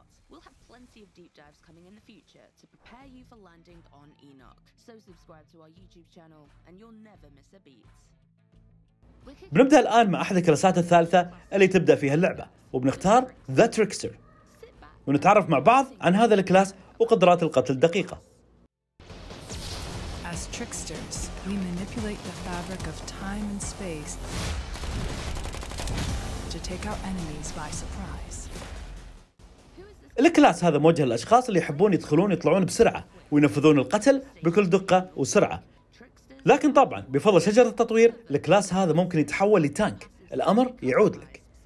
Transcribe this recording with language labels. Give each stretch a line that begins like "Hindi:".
English: We'll have plenty of deep dives coming in the future to prepare you for landing on Enoch. So subscribe to our YouTube channel and you'll never miss a beat.
Arabic: بنبدأ الآن مع أحد الكلاسات الثالثة اللي تبدأ فيها اللعبة، وبنختار The Trickster، ونتعرف مع بعض عن هذا الكلاس وقدرات القتل الدقيقة.
English: As tricksters, we manipulate the fabric of time and space to take out enemies by surprise.
Arabic: الكلاس هذا موجه للأشخاص اللي يحبون يدخلون يطلعون بسرعة وينفذون القتل بكل دقة وسرعة. لكن طبعا بفضل شجرة التطوير الكلاس هذا ممكن يتحول لتانك، الأمر يعود لك.